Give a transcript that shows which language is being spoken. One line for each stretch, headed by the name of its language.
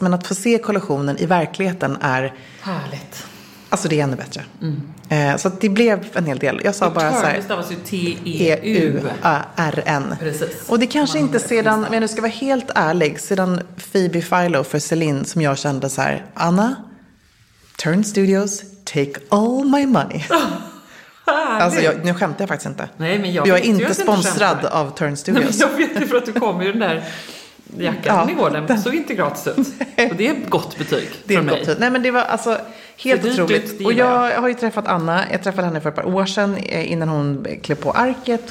Swedish: Men att få se kollektionen i verkligheten är... Härligt. Alltså det är ännu bättre. Mm. Så det blev en hel del. Jag sa bara så här... Det stavas ju T-E-U-R-N. Precis. Och det kanske inte sedan, men nu ska vara helt ärlig, sedan Phoebe Philo för Celine som jag kände så här...
English: Anna, Turn Studios, take all my money.
Swedish: Härligt. Alltså nu skämtar jag faktiskt inte. Nej, men jag är inte sponsrad av Turn Studios. Nej, jag vet ju för att du kommer i den där jackan ja, i vården. Den såg inte gratis ut. Och det är ett gott betyg det för är mig. Gott. Nej, men det var alltså helt otroligt. Och jag har ju träffat Anna. Jag träffade henne för ett par år sedan innan hon klev på Arket.